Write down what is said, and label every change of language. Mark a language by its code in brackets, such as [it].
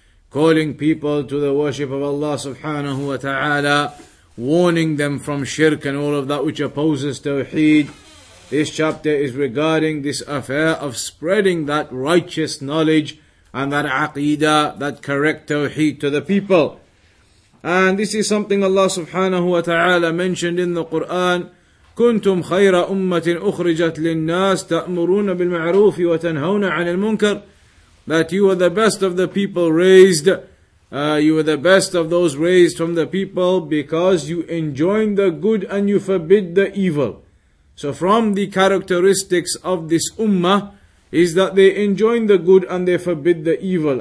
[en] Calling people to the worship of Allah subhanahu wa ta'ala, warning them from shirk and all of that which opposes tawheed. This chapter is regarding this affair of spreading that righteous knowledge and that aqeedah, that correct tawheed to the people. And this is something Allah subhanahu wa ta'ala mentioned in the Quran. [ar] كنتم خير أمة أخرجت للناس تأمرون بالمعروف وتنهون عن المنكر. [en] That you were the best of the people raised, you were the best of those raised from the people because you enjoin the good and you forbid the evil. So from the characteristics of this ummah is that they enjoin the good and they forbid the evil.